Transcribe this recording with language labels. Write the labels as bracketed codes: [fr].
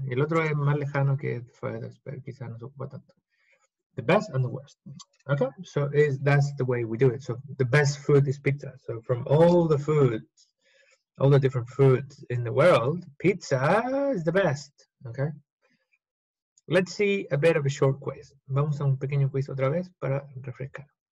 [es] El otro es más lejano que furthest, pero quizá no se ocupa tanto. [en] The best and the worst. Okay, so is that's the way we do it. So the best food is pizza. So from all the foods, all the different foods in the world, pizza is the best. Okay. Let's see a bit of a short quiz. [es] Vamos a un pequeño quiz otra vez para refrescar.